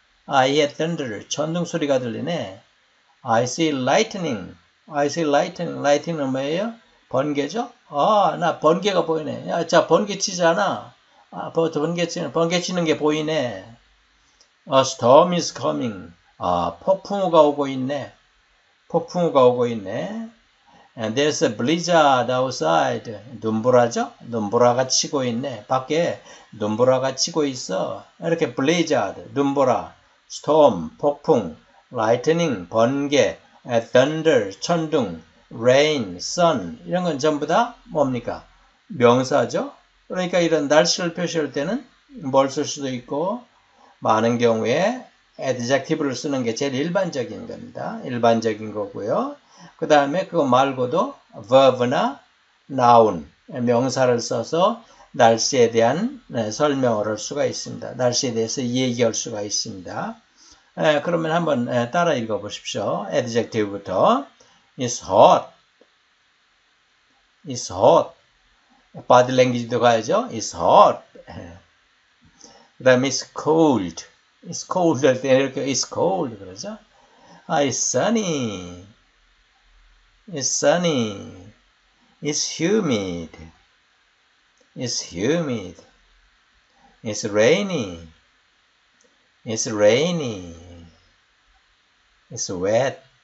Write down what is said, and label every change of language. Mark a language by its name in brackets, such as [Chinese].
[English] I hear thunder. [Korean] 천둥 소리가 들리네. [English] I see lightning. I see lightning. [Korean] Lightning은 뭐예요? 번개죠? 아, 나 번개가 보이네. 야, 자, 번개 치잖아. 아, 번개 치는 게 보이네. [English] A storm is coming. [Korean] 아, 폭풍우가 오고 있네. 폭풍우가 오고 있네. [English] And there's a blizzard outside. [Korean] 눈보라죠? 눈보라가 치고 있네. 밖에 눈보라가 치고 있어. 이렇게 blizzard, 눈보라, storm, 폭풍, lightning, 번개, thunder, 천둥, rain, sun 이런 건 전부 다 뭡니까? 명사죠? 그러니까 이런 날씨를 표시할 때는 뭘쓸 수도 있고 많은 경우에 adjective를 쓰는 게 제일 일반적인 겁니다. 일반적인 거고요. 그 다음에 그거 말고도 verb나 noun, 명사를 써서 날씨에 대한 설명을 할 수가 있습니다. 날씨에 대해서 얘기할 수가 있습니다. 그러면 한번 따라 읽어보십시오. Adjective부터. [English] It's hot. [Korean] Body language도 가야죠. [English] It's hot. [Korean] 그 다음에 [English] it's cold. It's cold [Korean] 할때 이렇게 [English] it's cold [Korean] 그러죠. [English] It's sunny. It's sunny. It's humid. It's humid. It's rainy. It's rainy. It's wet.